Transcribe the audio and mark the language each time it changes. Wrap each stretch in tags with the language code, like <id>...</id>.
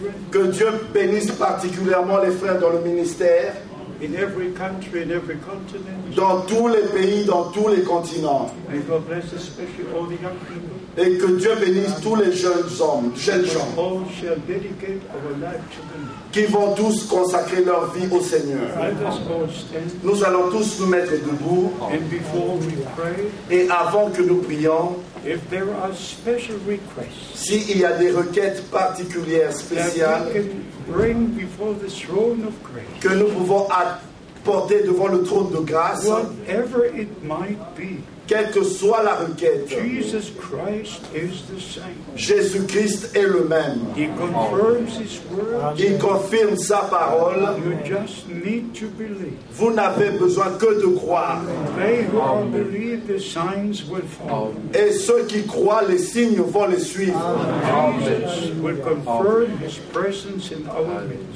<fr>Que Dieu bénisse particulièrement les frères dans le ministère.</fr> <en>In every country, in every continent.</en> <fr>Dans tous les pays, dans tous les continents.</fr> <en>And God bless especially all the young people.</en> <fr>Et que Dieu bénisse tous les jeunes hommes, jeunes gens.</fr> <en>All shall dedicate our life to them.</en> <fr>Qui vont tous consacrer leur vie au Seigneur. Nous allons tous nous mettre debout.</fr> <en>And before we pray,</en> <fr>et avant que nous prions,</fr> <en>if there are special requests,</en> <fr>s'il y a des requêtes particulières, spéciales,</fr> <en>bring before the throne of grace,</en> <fr>que nous pouvons apporter devant le trône de grâce,</fr> <en>whatever it might be,</en> <fr>quelle que soit la requête,</fr> <en>Jesus Christ is the same.</en> <fr>Jésus-Christ est le même.</fr> <en>He confirms his word.</en> <fr>Il confirme sa parole.</fr> <en>You just need to believe.</en> <fr>Vous n'avez besoin que de croire.</fr> <en>They who believe, the signs will follow.</en> <fr>Et ceux qui croient, les signes vont les suivre.</fr> <en>Jesus will confirm his presence in our midst.</en>